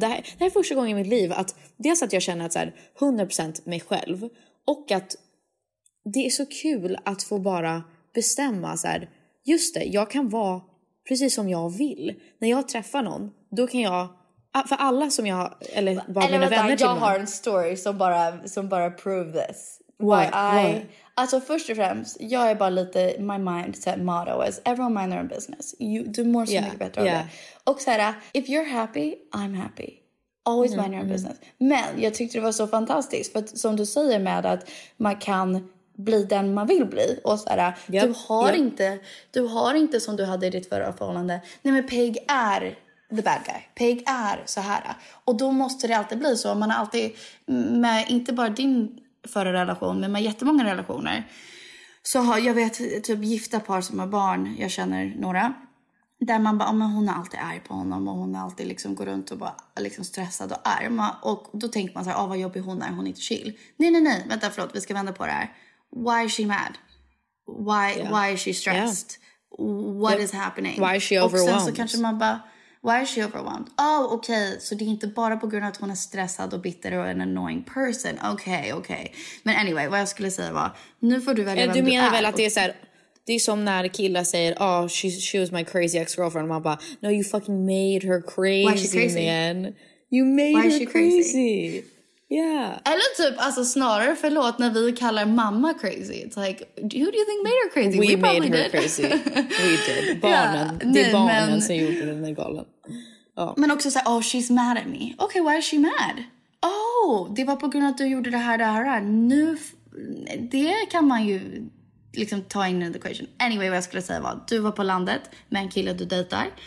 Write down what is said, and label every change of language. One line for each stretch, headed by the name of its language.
Swedish: Det här är första gången i mitt liv att dels att jag känner att så här 100% mig själv och att det är så kul att få bara bestämma så här, just det, jag kan vara precis som jag vill. När jag träffar någon, då kan jag... För alla som jag... Eller bara mina vänner till mig. Jag har en story som bara
English: prove this. Why?
Swedish: Alltså först och främst, jag är bara lite...
English: My mindset motto is, everyone mind their own business.
Swedish: Du mår så mycket bättre av det. Och så här,
English: if you're happy, I'm happy. Always mind your own business.
Swedish: Men jag tyckte det var så fantastiskt. För som du säger med att man kan... bli den man vill bli och så här, du har inte som du hade i ditt förra förhållande. Nej, men Pig är
English: the bad guy.
Swedish: Pig är så här och då måste det alltid bli så. Man har alltid med inte bara din förra relation men med jättemånga relationer. Så har jag vet typ gifta par som har barn, jag känner några där man bara, men hon är alltid arg på honom och hon är alltid liksom går runt och bara liksom stressad och arg och då tänker man så här, vad jobbig hon är, hon är inte chill. Nej, vänta, förlåt, vi ska vända på det här.
English: Why is she mad? Why is she stressed? Yeah. What is happening? Why is she overwhelmed?
Swedish: Och sen så kanske man bara,
English: why is she overwhelmed? Oh, okay.
Swedish: Så det är inte bara på grund av att hon är stressad och bitter och en
English: annoying person.
Swedish: Okay. Men anyway, vad jag skulle säga var, nu får du välja vem du är. Du menar väl att det är så här, det är som när killar säger,
English: oh, she was my crazy ex-girlfriend.
Swedish: Man bara,
English: no, you fucking made her crazy, man. Why is she crazy? Yeah.
Swedish: Eller typ, alltså snarare förlåt när vi kallar mamma crazy.
English: It's like, who do you think made her crazy? We made her crazy. We did. Barnen.
Swedish: Yeah. Det är barnen som gjorde den där galen. Men också så här,
English: oh she's mad at me. Okay, why is she mad?
Swedish: Oh, det var på grund av att du gjorde det här. Nu, det kan man ju liksom ta in i
English: the equation.
Swedish: Anyway, vad jag skulle säga var, du var på landet med en kille du dejtar.